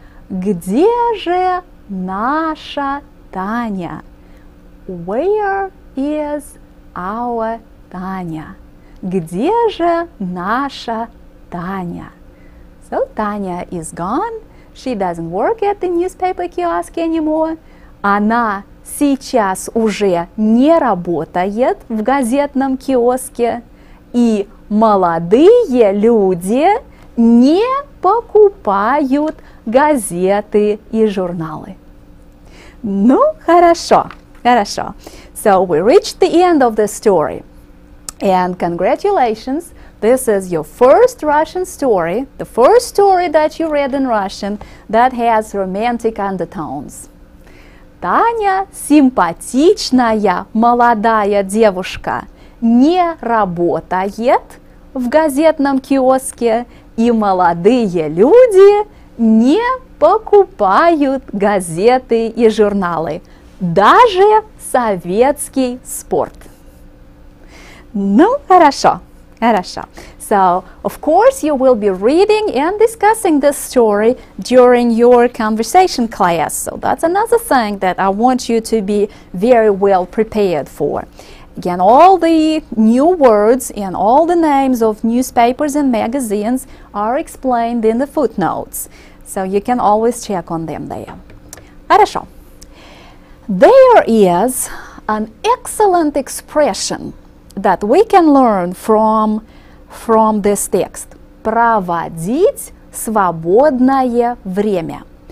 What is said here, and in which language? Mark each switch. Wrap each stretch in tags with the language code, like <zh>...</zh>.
<ru>Где же наша Таня?</ru> <en>Where is our Таня?</en> <ru>Где же наша Таня?</ru> <en>So Таня is gone. She doesn't work at the newspaper kiosk anymore.</en> <ru>Она сейчас уже не работает в газетном киоске. И молодые люди не покупают газеты и журналы. Ну, хорошо, хорошо.</ru> <en>So, we reached the end of the story. And congratulations, this is your first Russian story, the first story that you read in Russian that has romantic undertones.</en> <ru>Таня – симпатичная молодая девушка. Не работает в газетном киоске, и молодые люди не покупают газеты и журналы, даже советский спорт. Ну, хорошо, Хорошо.</ru> <en>So, of course, you will be reading and discussing this story during your conversation class. So that's another thing that I want you to be very well prepared for. Again, all the new words and all the names of newspapers and magazines are explained in the footnotes. So you can always check on them there.</en> <ru>Хорошо.</ru> <en>There is an excellent expression that we can learn from this text.</en> <ru>Проводить свободное время.</ru>